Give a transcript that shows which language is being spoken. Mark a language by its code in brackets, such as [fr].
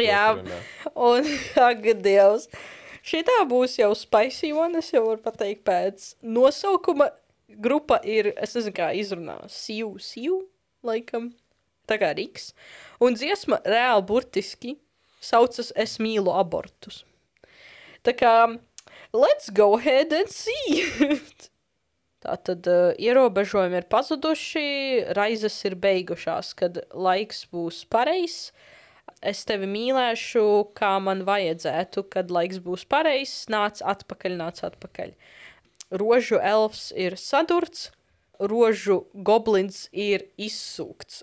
[lv] Jā, un ak, Dievs. Šitā būs jau spicy one, es jau varu pateikt pēc nosaukuma. Grupa ir, es nezinu, kā izrunā, Siu, Siu, laikam, tā kā Riks. Un dziesma reāli burtiski saucas Es mīlu abortus. [en] Tā kā, let's go ahead and see it. [lv] Tātad ierobežojumi ir pazuduši, raizes ir beigušās, kad laiks būs pareizs. Es tevi mīlēšu, kā man vajadzētu, kad laiks būs pareizs, nāc atpakaļ. Rožu elfs ir sadurts, rožu goblins ir izsūkts.